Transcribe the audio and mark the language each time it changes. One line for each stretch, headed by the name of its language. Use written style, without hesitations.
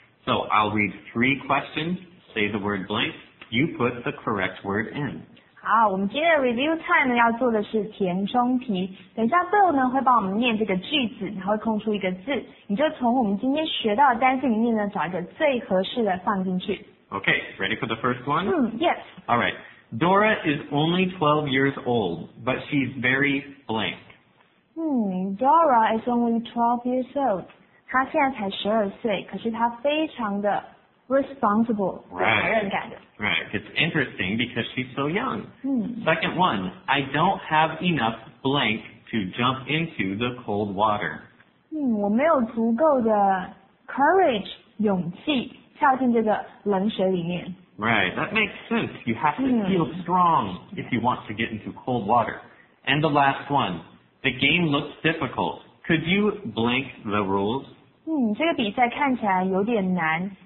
English: So I'll read three questions, say the word blank, you put the correct word in.
Chinese: 好，我们今天的 review time 呢要做的是填充题。等一下 Bill 呢会帮我们念这个句子，然后空出一个字，你就从我们今天学到的单词里面呢找一个最合适的放进去。
English: Okay, ready for the first one? Yes. All right. Dora is only 12 years old, but she's very blank. Dora is only 12 years old.
Chinese: 她现在才12岁,可是她非常的 responsible, 对, 责任感的。
English: Right. It's interesting because she's so young. Second one, I don't have enough blank to jump into the cold water.
Chinese: 我没有足够的 courage, 勇气。跳进这个冷水里面。
English: Right, that makes sense. You have to feel strong if you want to get into cold water. And the last one, the game looks difficult. Could you blank the rules?
Chinese: 这个比赛看起来有点难。